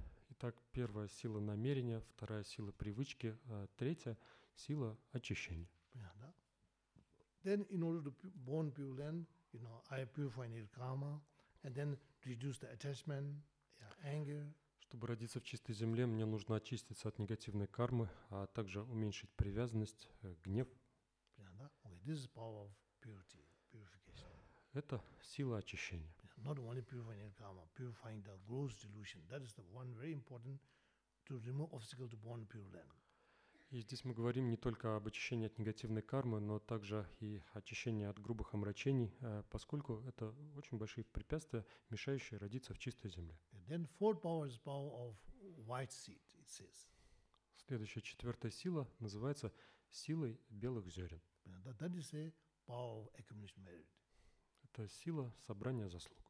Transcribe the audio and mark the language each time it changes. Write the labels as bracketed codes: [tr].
[ru] Итак, первая сила намерения, вторая сила привычки, третья сила очищения. Yeah, да. [en] Then in order to born pure land, you know, I purify my karma and then reduce the attachment, anger. [ru] Чтобы родиться в чистой земле, мне нужно очиститься от негативной кармы, а также уменьшить привязанность, гнев. [en] Yeah, да. Okay, this is power of purity, purification. [ru] Это сила очищения. [en] Not only purifying karma, purifying the gross delusion. That is the one very important to remove obstacle to born pure land. [ru] И здесь мы говорим не только об очищении от негативной кармы, но также и очищении от грубых омрачений, поскольку это очень большие препятствия, мешающие родиться в чистой земле. [en] And then fourth power is power of white seed, it says. [ru] Следующая четвертая сила называется силой белых зерен. [en] That is a power of accumulation merit. [ru] Это сила собрания заслуг.